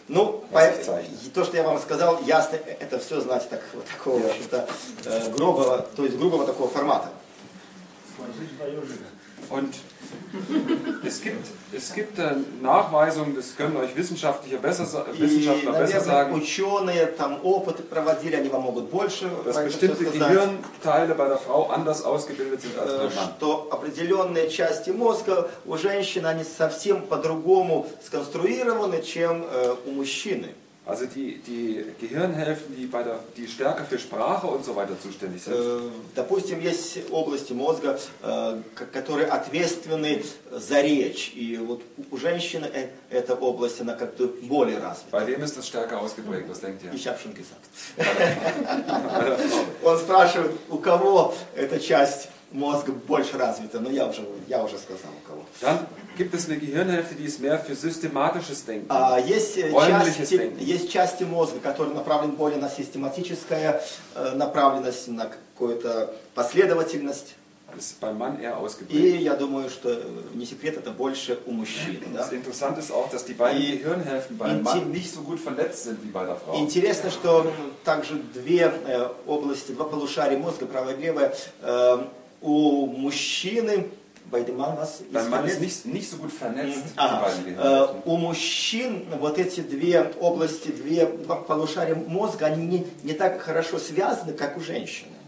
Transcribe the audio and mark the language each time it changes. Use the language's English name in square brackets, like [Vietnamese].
[Russian] Ну, то, что я вам сказал, ясно, это все, знаете, так, вот такого, yeah. что-то, грубого, то есть грубого такого формата. [German] Und es gibt Nachweisungen, das können euch wissenschaftliche Wissenschaftler besser sagen. [Russian] Ученые там опыты проводили, они вам могут больше. [German] Dass bestimmte Gehirnteile bei der Frau anders ausgebildet sind als beim Mann. [Russian] Что определенные части мозга у женщины они совсем по-другому сконструированы, чем у мужчины. [German] Also die Gehirnhälften, die stärker für Sprache und so weiter zuständig sind. [Russian] Допустим, есть области мозга, которые ответственны за речь. И вот у женщины эта область, она как-то более развита. [German] Bei wem ist das stärker ausgeprägt? Was denkt ihr? Ich habe schon gesagt. [Russian] Он спрашивает, у кого эта часть мозг больше развит, но я уже сказал у кого. Да? [German] Gibt es eine Gehirnhälfte, die ist mehr für systematisches Denken? [Russian] Есть части мозга, которые направлены более на систематическое, направленность на какую-то последовательность. [German] Ist beim Mann eher ausgeprägt. [Russian] И я думаю, что не секрет, это больше у мужчин. [German] Das Interessante ist auch, dass die beiden Gehirnhälften beim Mann nicht so gut vernetzt sind wie bei der Frau. [Russian] Интересно, что также две области, два полушария мозга, правое и левое, у мужчины, [German] bei dem Mann was? Beim Mann ist nicht so gut vernetzt. [Russian] У мужчин вот эти две области, две полушария мозга, они не так хорошо связаны, как у женщин.